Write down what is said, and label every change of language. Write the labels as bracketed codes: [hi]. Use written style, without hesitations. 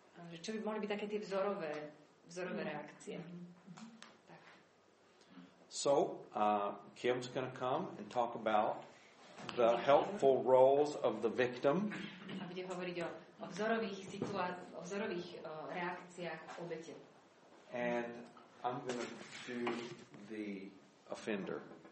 [sk] že čo by mohli byť také tie vzorové reakcie. Tak. [en] So, Kim's going to come and talk about the helpful roles of the victim. [sk] A bude hovoriť o vzorových situáciách, o vzorových reakciách obete. [en] And I'm going to do the offender.